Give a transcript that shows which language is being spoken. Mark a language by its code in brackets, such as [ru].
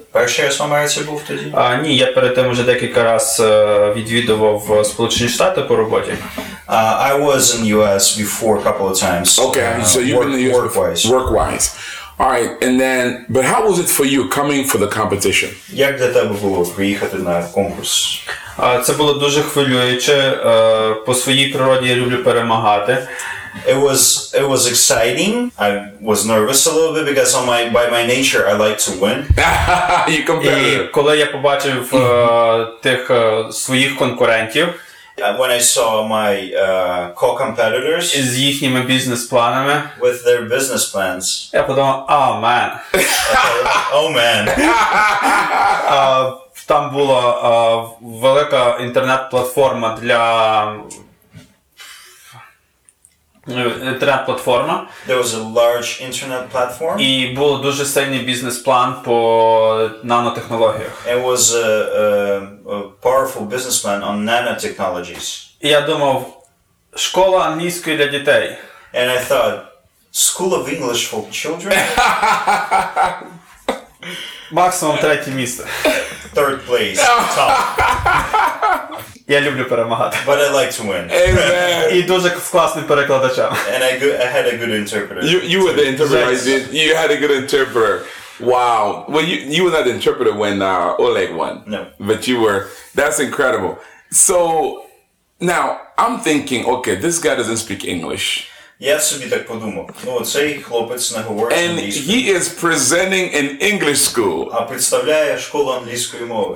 [uk] Перший раз в Америці був тоді? Ні, я перед тим вже декілька раз відвідував Сполучені Штати по роботі. [en] I was in the US before a couple of times. Okay, so you've been in the US work-wise. Work-wise. All right, and then, but how was it for you coming for the competition? [uk] Як для тебе було приїхати на конкурс? Це було дуже хвилююче. По своїй природі я люблю перемагати. [en] It was exciting. I was nervous a little bit because by my nature I like to win. You competitive. [uk] І коли я побачив тих своїх конкурентів, [en] when I saw my co-competitors [uk] з їхніми бізнес-планами, [en] with their business plans, [uk] я подумав, [en] oh man. [uk] там була велика інтернет-платформа для інтернет-платформа. [en] There was a large internet platform. [uk] І був дуже сильний бізнес-план по нанотехнологіях. [en] It was a powerful business plan on nanotechnologies. [uk] І я думав, школа англійської для дітей. [en] And I thought, school of English for children? [uk] Максимум третє місце. [en] Third place, top. [uk] Я люблю перемагати. [en] But I like to win. [uk] І дуже з класним перекладачем. [en] And I had a good interpreter. You were the interpreter. Yes. You had a good interpreter. Wow. Well, you were not the interpreter when Oleg won. No. But you were. That's incredible. So, now, I'm thinking, okay, this guy doesn't speak English. [uk] Я собі так подумав. Ну, цей хлопець не говорить англійською. [en] And he is presenting in English school. [uk] А представляє школу англійської мови.